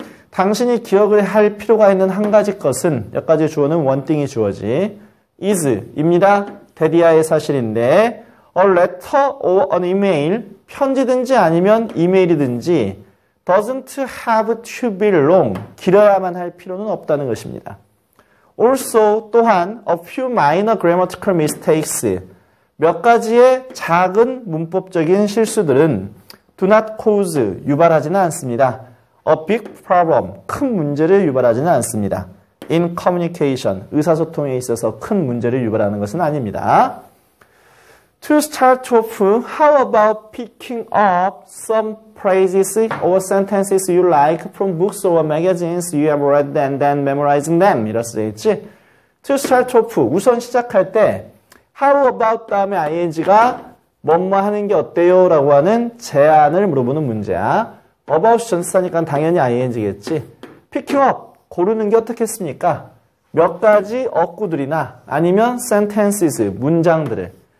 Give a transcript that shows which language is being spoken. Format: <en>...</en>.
<ko>당신이 기억을 할 필요가 있는 한 가지 것은 여기까지 주어는 one thing이 주어지.</ko> <en>is,</en> <ko>입니다. 대디아의 사실인데</ko> <en>A letter or an email,</en> <ko>편지든지 아니면 이메일이든지</ko> <en>doesn't have to be long,</en> <ko>길어야만 할 필요는 없다는 것입니다.</ko> <en>Also,</en> <ko>또한</ko> <en>A few minor grammatical mistakes,</en> <ko>몇 가지의 작은 문법적인 실수들은</ko> <en>do not cause,</en> <ko>유발하지는 않습니다.</ko> <en>A big problem,</en> <ko>큰 문제를 유발하지는 않습니다.</ko> <en>In communication,</en> <ko>의사소통에 있어서 큰 문제를 유발하는 것은 아닙니다.</ko> <en>To start off, how about picking up some phrases or sentences you like from books or magazines you have read and then memorizing them?</en> <ko>이랬지.</ko> <en>To start off,</en> <ko>우선 시작할 때</ko> <en>how about</en> <ko>다음에 ing가 뭐뭐 하는 게 어때요? 라고 하는 제안을 물어보는 문제야. about 전치사니까 당연히 ing겠지.</ko> <en>Picking up.</en> <ko>고르는 게 어떻겠습니까? 몇 가지 어구들이나 아니면</ko> <en>sentences,</en> <ko>문장들을.</ko>